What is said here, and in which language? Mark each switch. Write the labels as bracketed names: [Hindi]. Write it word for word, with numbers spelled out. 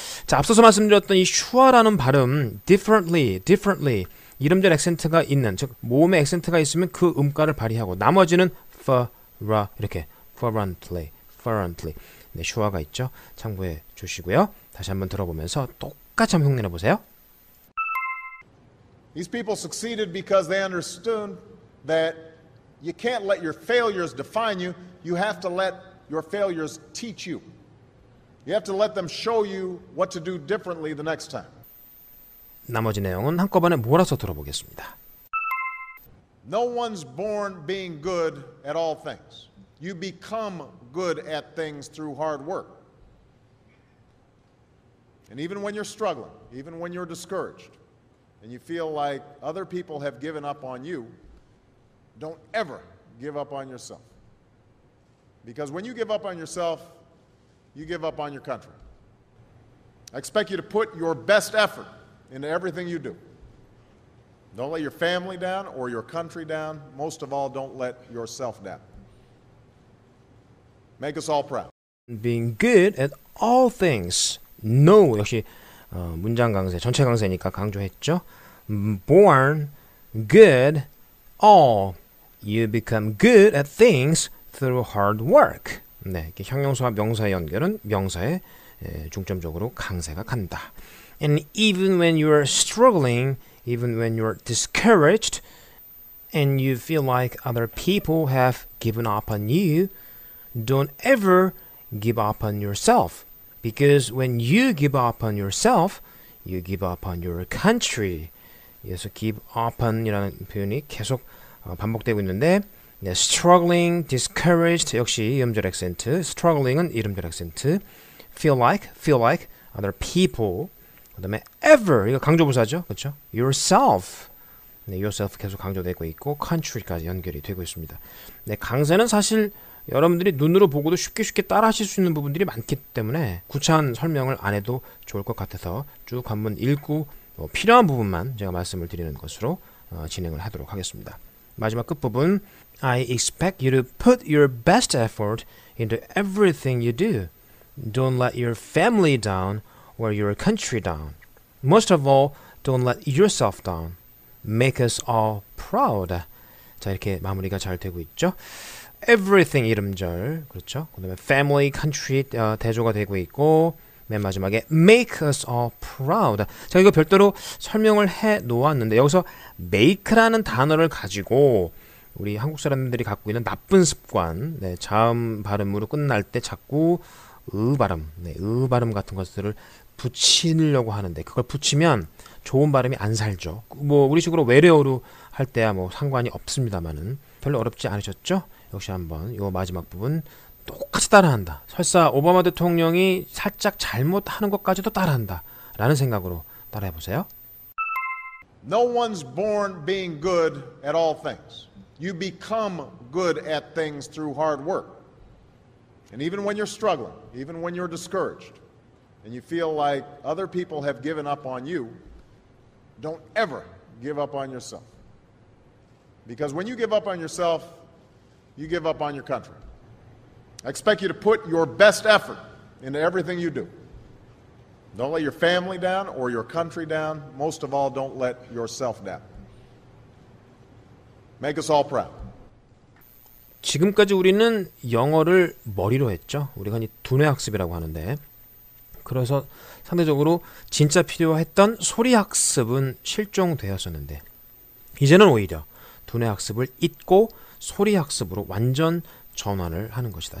[Korean] 자, 앞서서 말씀드렸던 이 슈아라는 발음 differently, differently 이름절 액센트가 있는, 즉 모음에 액센트가 있으면 그 음가를 발휘하고 나머지는 for, ra 이렇게 fervently, fervently 네, 슈아가 있죠. 참고해 주시고요. 다시 한번 들어보면서 똑같이 한번 흉내내 보세요. [English] These people succeeded because they understood that You can't let your failures define you. You have to let your failures teach you. You have to let them show you what to do differently the next time. 나머지 내용은 한꺼번에 몰아서 들어보겠습니다. No one's born being good at all things. You become good at things through hard work. And even when you're struggling, even when you're discouraged, and you feel like other people have given up on you, don't ever give up on yourself. Because when you give up on yourself, you give up on your country. I expect you to put your best effort into everything you do. Don't let your family down or your country down. Most of all, don't let yourself down. Make us all proud. Being good at all things. [Korean] No, 역시 어, 문장 강세, 전체 강세니까 강조했죠. [English] Born good all. You become good at things through hard work. [Korean] 네, 이렇게 형용사와 명사의 연결은 명사에 에, 중점적으로 강세가 간다. [English] And even when you are struggling, even when you are discouraged, and you feel like other people have given up on you, don't ever give up on yourself. Because when you give up on yourself, you give up on your country. [Korean] 여기서 give up on이라는 표현이 계속 어, 반복되고 있는데 네, struggling, discouraged 역시 이음절 액센트, struggling은 이음절 액센트, feel like, feel like, other people, 그 다음에 ever, 이거 강조부사죠, 그렇죠? yourself, 네, yourself 계속 강조되고 있고 country까지 연결이 되고 있습니다. 네, 강세는 사실 여러분들이 눈으로 보고도 쉽게 쉽게 따라 하실 수 있는 부분들이 많기 때문에 구차한 설명을 안 해도 좋을 것 같아서 쭉 한번 읽고 어, 필요한 부분만 제가 말씀을 드리는 것으로 어, 진행을 하도록 하겠습니다. 마지막 끝부분 [English] I expect you to put your best effort into everything you do. Don't let your family down or your country down. Most of all, don't let yourself down. Make us all proud. [Korean] 자, 이렇게 마무리가 잘 되고 있죠. Everything 이름절, 그렇죠? 그 다음에 family, country 어, 대조가 되고 있고 맨 마지막에 [English] make us all proud. [Korean] 자, 이거 별도로 설명을 해 놓았는데 여기서 make라는 단어를 가지고 우리 한국 사람들이 갖고 있는 나쁜 습관, 네, 자음 발음으로 끝날 때 자꾸 으 발음, 네, 으 발음 같은 것들을 붙이려고 하는데 그걸 붙이면 좋은 발음이 안 살죠. 뭐 우리식으로 외래어로 할 때야 뭐 상관이 없습니다만은 별로 어렵지 않으셨죠? 역시 한번 요 마지막 부분 똑같이 따라한다. 설사 오바마 대통령이 살짝 잘못하는 것까지도 따라한다. 라는 생각으로 따라해보세요. [English] No one's born being good at all things. You become good at things through hard work. And even when you're struggling, even when you're discouraged, and you feel like other people have given up on you, don't ever give up on yourself. Because when you give up on yourself, you give up on your country. I expect you to put your best effort into everything you do. Don't let your family down or your country down. Most of all, don't let yourself down. Make us all proud. [Korean] 지금까지 우리는 영어를 머리로 했죠. 우리가 이 두뇌 학습이라고 하는데 그래서 상대적으로 진짜 필요했던 소리 학습은 실종되었었는데 이제는 오히려 두뇌 학습을 잊고 소리 학습으로 완전 전환을 하는 것이다.